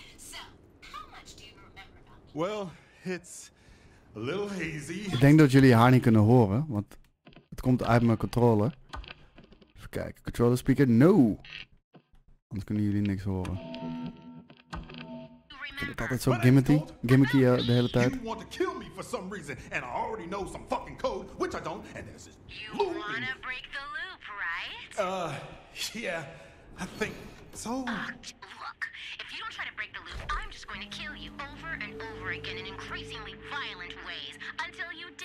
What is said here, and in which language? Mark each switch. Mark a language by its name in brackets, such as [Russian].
[English] So, how much do you remember about me? Well, it's a little hazy. [Dutch] Ik denk dat jullie haar niet kunnen horen, want het komt uit mijn controller. Even kijken, controller speaker, no! Anders kunnen jullie niks horen. Ik vind het altijd zo gimmicky de hele tijd. [English] You want to kill me for some reason, and I already know some fucking code, which I don't, and there's this loop. You wanna break the loop, right? Yeah, I think so. Look, if you don't try to break the loop, I'm just going to kill you over and over again in increasingly violent ways, until you do.